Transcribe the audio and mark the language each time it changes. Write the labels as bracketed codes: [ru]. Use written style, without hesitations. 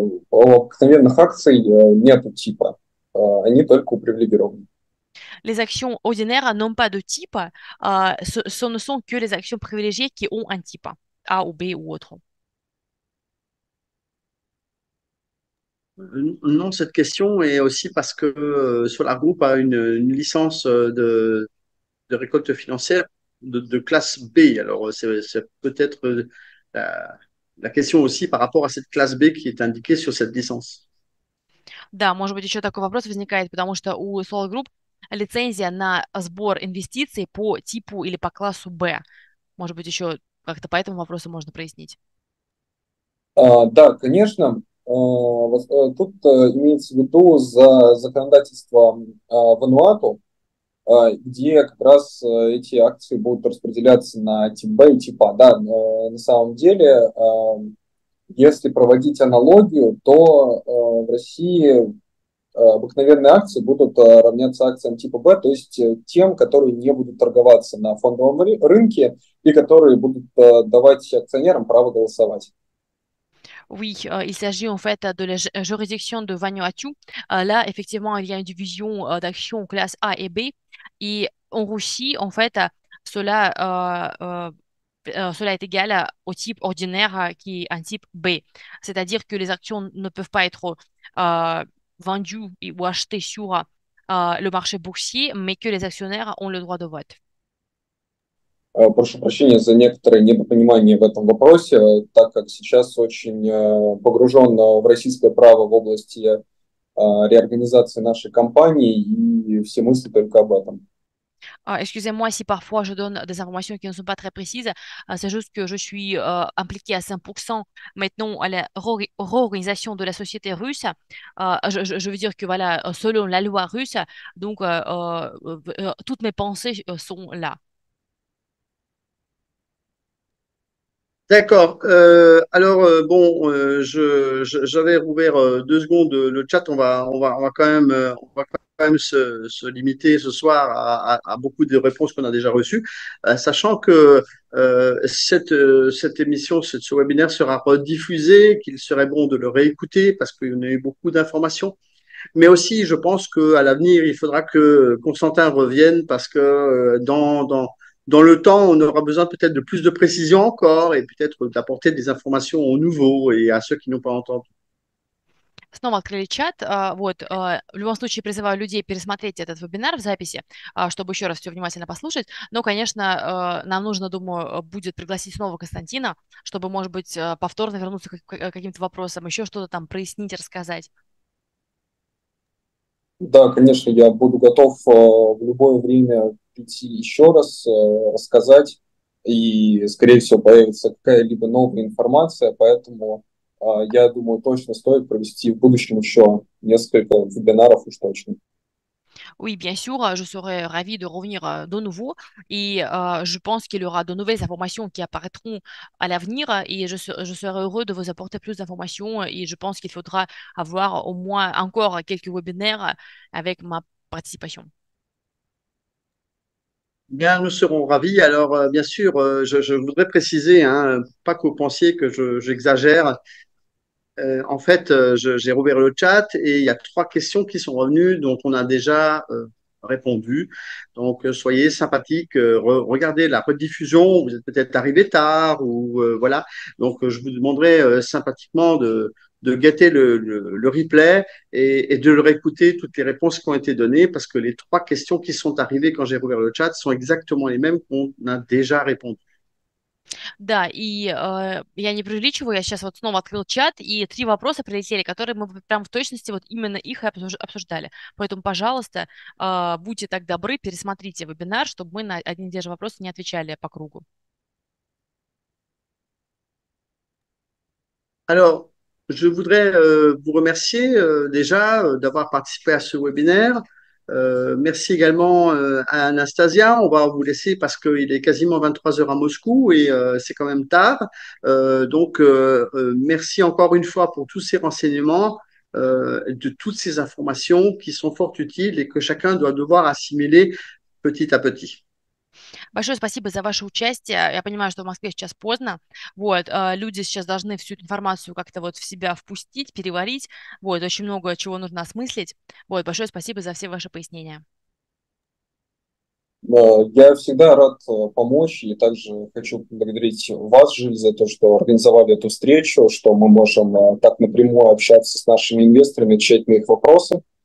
[ru] Обыкновенных акций нету типа, они только у привилегированных. [fr] Les actions ordinaires n'ont пas de type, ce ne sont que les actions privilégiées qui ont un type, A ou B ou autre. Non, cette question est aussi parce que Solar Group a une licence de récolte financière de classe B. Alors, c'est peut-être la question aussi par rapport à cette classe B qui est indiquée sur cette licence. [ru] Да, может быть, еще такой вопрос возникает, потому что у Solar Group лицензия на сбор инвестиций по типу или по классу B. Может быть, еще как-то по этому вопросу можно прояснить. Да, конечно. Тут имеется в виду за законодательство Вануату, где как раз эти акции будут распределяться на тип Б и тип А. Да, на самом деле, если проводить аналогию, то в России обыкновенные акции будут равняться акциям типа Б, то есть тем, которые не будут торговаться на фондовом рынке и которые будут давать акционерам право голосовать. [fr] Oui, il s'agit en fait de la juridiction de Vanuatu. Là, effectivement, il y a une division d'actions classe A et B. Et en Russie, en fait, cela est égal au type ordinaire qui est un type B. C'est-à-dire que les actions ne peuvent pas être vendues ou achetées sur le marché boursier, mais que les actionnaires ont le droit de vote. [ru] Прошу прощения за некоторое недопонимание в этом вопросе, так как сейчас очень погружен в российское право в области реорганизации нашей компании, и все мысли только об этом. [fr] Excusez-moi si parfois je donne des informations qui ne sont pas très précises. C'est juste que je suis impliquée à 100% maintenant à la réorganisation de la société russe. Je veux dire que voilà, selon la loi russe, donc toutes mes pensées sont là. D'accord. Alors bon, j'avais rouvert 2 secondes le chat. On va quand même se limiter ce soir à beaucoup de réponses qu'on a déjà reçues, sachant que cette émission, ce webinaire sera rediffusé, qu'il serait bon de le réécouter parce qu'il y en a eu beaucoup d'informations. Mais aussi, je pense qu'à l'avenir, il faudra que Constantin revienne parce que dans Dans le temps, on aura besoin peut-être de plus de précision encore et peut-être d'apporter des informations aux nouveaux et à ceux qui n'ont pas entendu. [ru] Снова открыли чат. Вот, в любом случае, призываю людей пересмотреть этот вебинар в записи, чтобы еще раз все внимательно послушать. Но, конечно, нам нужно, думаю, будет пригласить снова Константина, чтобы, может быть, повторно вернуться к каким-то вопросам, еще что-то там прояснить, рассказать. Да, конечно, я буду готов в любое время прийти еще раз, рассказать, и, скорее всего, появится какая-либо новая информация, поэтому я думаю, точно стоит провести в будущем еще несколько вебинаров уж точно. [fr] Oui, bien sûr, je serai ravie de revenir de nouveau et je pense qu'il y aura de nouvelles informations qui apparaîtront à l'avenir et je serai heureux de vous apporter plus d'informations et je pense qu'il faudra avoir au moins encore quelques webinaires avec ma participation. Bien, nous serons ravis. Alors, bien sûr, je voudrais préciser, hein, pas que vous pensiez que j'exagère. En fait, j'ai rouvert le chat et il y a trois questions qui sont revenues dont on a déjà répondu. Donc, soyez sympathiques, regardez la rediffusion. Vous êtes peut-être arrivé tard ou voilà. Donc, je vous demanderai sympathiquement de guetter le replay et de le réécouter, toutes les réponses qui ont été données, parce que les trois questions qui sont arrivées quand j'ai rouvert le chat sont exactement les mêmes qu'on a déjà répondu. [ru] Да, и я не преувеличиваю, я сейчас вот снова открыл чат, и три вопроса прилетели, которые мы прям в точности вот именно их и обсуждали. Поэтому, пожалуйста, будьте так добры, пересмотрите вебинар, чтобы мы на одни и те же вопросы не отвечали по кругу. [fr] Alors, je voudrais vous remercier déjà d'avoir participé à ce webinaire. Merci également à Anastasia. On va vous laisser parce qu'il est quasiment 23 heures à Moscou et c'est quand même tard. Merci encore une fois pour tous ces renseignements, de toutes ces informations qui sont fort utiles et que chacun doit devoir assimiler petit à petit. [ru] Большое спасибо за ваше участие. Я понимаю, что в Москве сейчас поздно. Вот, люди сейчас должны всю эту информацию как-то вот в себя впустить, переварить. Вот, очень много чего нужно осмыслить. Вот, большое спасибо за все ваши пояснения. Я всегда рад помочь и также хочу поблагодарить вас, Жиль, за то, что организовали эту встречу, что мы можем так напрямую общаться с нашими инвесторами, отвечать на их вопросы.